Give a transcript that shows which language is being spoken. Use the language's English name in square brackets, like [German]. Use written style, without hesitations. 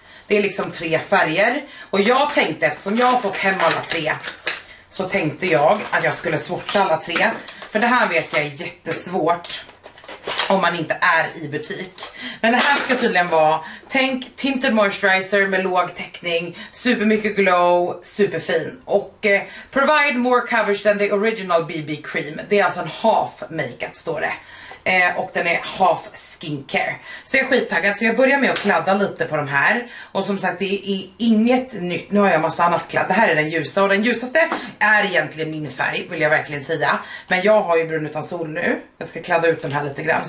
[Swedish] Det är liksom tre färger. Och jag tänkte, eftersom jag har fått hem alla tre, så tänkte jag att jag skulle swatcha alla tre. För det här vet jag är jättesvårt. om man inte är i butik. Men det här ska tydligen vara, tänk tinted moisturizer med låg täckning, super mycket glow, superfin. [English] Och provide more coverage than the original BB cream. [Swedish] Det är alltså en half makeup står det. Och den är half skincare. Så jag är skittaggad, så jag börjar med att kladda lite på de här. Och som sagt, det är inget nytt. Nu har jag massa annat kladd. Det här är den ljusa, och den ljusaste är egentligen min färg, vill jag verkligen säga. Men jag har ju brun utan sol nu. Jag ska kladda ut de här lite grann.